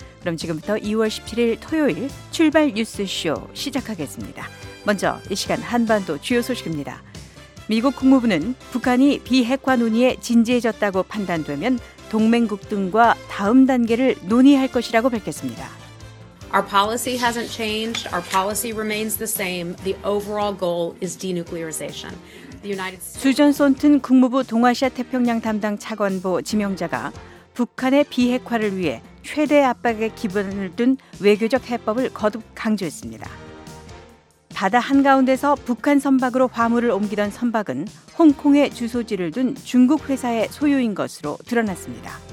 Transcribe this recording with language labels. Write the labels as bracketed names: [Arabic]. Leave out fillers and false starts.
[Korean] 그럼 지금부터 2월 17일 토요일 출발 뉴스 쇼 시작하겠습니다. 먼저 이 시간 한반도 주요 소식입니다. 미국 국무부는 북한이 비핵화 논의에 진지해졌다고 판단되면 동맹국 등과 다음 단계를 논의할 것이라고 밝혔습니다. [English] Our policy hasn't changed. Our policy remains the same. The overall goal is denuclearization. The United States. [Korean] 수전 손튼 국무부 동아시아 태평양 담당 차관보 지명자가 북한의 비핵화를 위해 최대 압박의 기반을 둔 외교적 해법을 거듭 강조했습니다. 바다 한가운데서 북한 선박으로 화물을 옮기던 선박은 홍콩에 주소지를 둔 중국 회사의 소유인 것으로 드러났습니다.